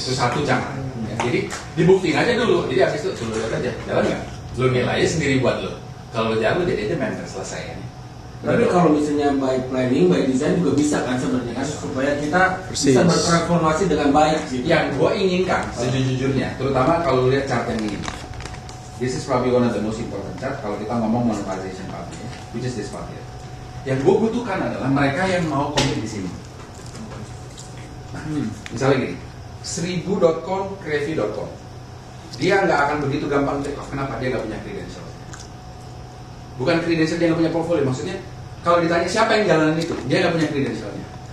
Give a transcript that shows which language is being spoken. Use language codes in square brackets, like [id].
[id] Itu satu jangan. Ya. Jadi, dibuktiin aja dulu. Jadi habis itu lu lihat aja, jalan enggak? Lu nilai sendiri buat lu. Kalau lu jalan jadi itu mentor selesai. Ya. Tapi kalau misalnya [en] by planning, by design [id] juga bisa kan sebenarnya kan supaya kita persis. Bisa bertransformasi dengan baik gitu. Yang gua inginkan sejujurnya, terutama kalau lihat chart yang ini. [en] This is probably one of the most important chart [id] kalau kita ngomong [en] monetization part, which is this part here. [id] Yang gua butuhkan adalah mereka yang mau komit di sini. Misalnya gini, 1000.com, crevy.com. Dia nggak akan begitu gampang check off. Kenapa? Dia nggak punya credential. Bukan kredensial dia nggak punya portfolio, maksudnya kalau ditanya siapa yang jalanin itu, dia nggak punya kredensialnya.